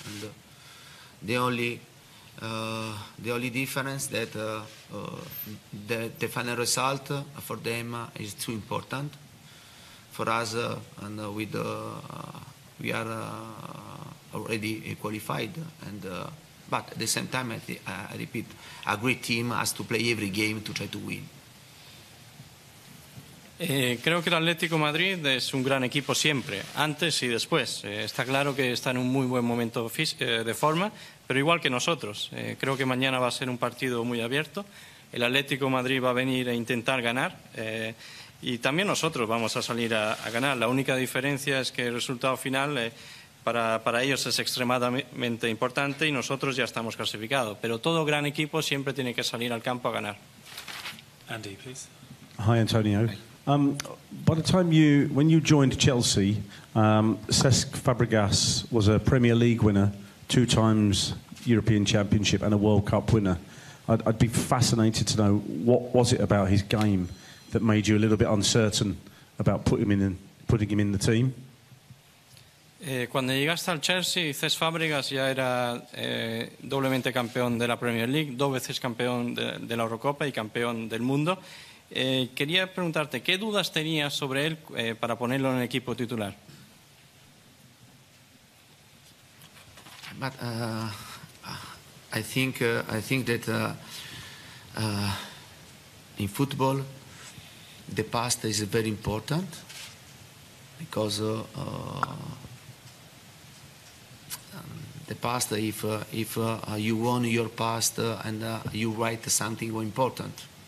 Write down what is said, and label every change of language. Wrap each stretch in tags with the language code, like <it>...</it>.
<en>And the only difference that the final result for them is too important for us. And with we are already qualified. And but at the same time, I repeat, a great team has to play every game to try to win.</en> <es>Creo que el Atlético Madrid es un gran equipo siempre, antes y después. Está claro que está en un muy buen momento de forma, pero igual que nosotros. Creo que mañana va a ser un partido muy abierto. El Atlético Madrid va a venir a intentar ganar y también nosotros vamos a salir a ganar. La única diferencia es que el resultado final para ellos es extremadamente importante y nosotros ya estamos clasificados. Pero todo gran equipo siempre tiene que salir al campo a ganar.</es> <en>Andy, please. Hi, Antonio. By the time when you joined Chelsea, Cesc Fabregas was a Premier League winner, two times European Championship and a World Cup winner. I'd be fascinated to know, what was it about his game that made you a little bit uncertain about putting him in the team?</en> <es>Cuando llegaste al Chelsea, Cesc Fabregas ya era doblemente campeón de la Premier League, dos veces campeón de la Eurocopa y campeón del mundo. Quería preguntarte, ¿qué dudas tenías sobre él para ponerlo en el equipo titular?</es> <en>But I think that in football the past is very important because the past if you won your past and you write something important.</en>